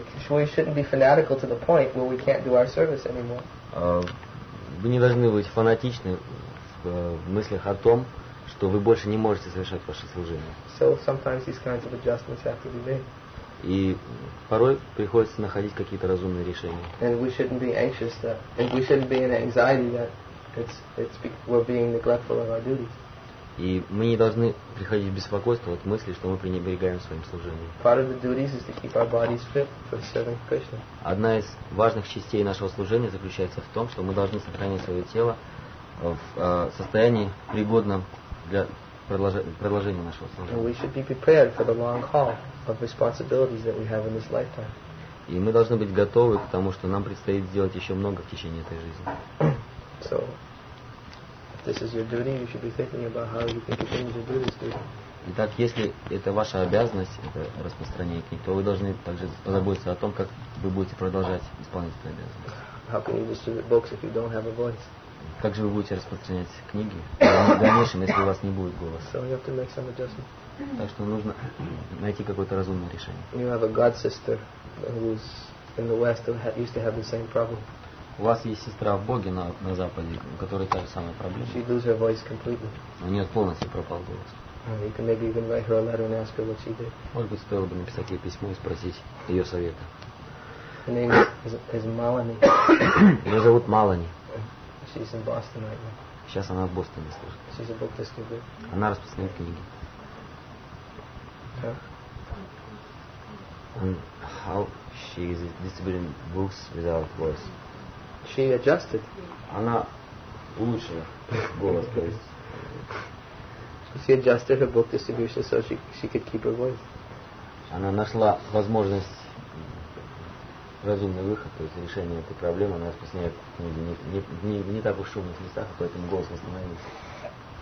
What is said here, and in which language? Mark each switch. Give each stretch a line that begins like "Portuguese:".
English: We shouldn't be fanatical to the point where we can't do our service anymore.
Russian: Вы не должны быть фанатичны в мыслях о том, что вы больше не можете совершать ваше служение.
English: So sometimes these kinds of adjustments have to be made.
Russian: И порой приходится находить какие-то разумные решения.
English: And we shouldn't be anxious that, and we shouldn't be in anxiety that we're being neglectful of our duties.
Russian: И мы не должны приходить в беспокойство от мысли, что мы пренебрегаем своим служением.
English: Part of the duties is to keep our bodies fit for serving Krishna.
Russian: Одна из важных частей нашего служения заключается в том, что мы должны сохранить свое тело в состоянии пригодном для продолжения нашего служения.
English: We should be prepared for the long haul of responsibilities that we have in this lifetime.
Russian: И мы должны быть готовы, потому что нам предстоит сделать еще много в течение этой жизни.
English: So, if this is your duty, you should be thinking about how you can continue to do this duty.
Russian: Итак, если это ваша обязанность, это распространение, то вы должны также позаботиться о том, как вы будете продолжать исполнять эту обязанность.
English: How can you distribute books if you don't have a voice?
Russian: Как же вы будете распространять книги в дальнейшем, если у вас не будет голоса?
English: So you have to make some adjustment.
Russian: Так что нужно найти какое-то разумное решение.
English: You have a god sister who's in the West who used to have the same problem.
Russian: У вас есть сестра в Боге на Западе, у которой та же самая проблема.
English: She lose her voice completely.
Russian: У нее полностью пропал голос.
English: You can maybe even write her a letter and ask her what she did.
Russian: Может быть, стоило бы написать ей письмо и спросить ее совета.
English: Her name is Malani.
Russian: Ее зовут Малани.
English: She's in Boston right now.
Russian: Сейчас она в Бостоне служит.
English: She's a book distributor.
Russian: Она распространяет книги.
English: Yeah. And how she is distributing books without voice? She adjusted.
Russian: Она улучшила голос, то есть.
English: She adjusted her book distribution so she could keep her voice.
Russian: Она нашла возможность, разумный выход, то есть решение этой проблемы. Она распространяет книги не так уж шумных местах, поэтому голос восстановился.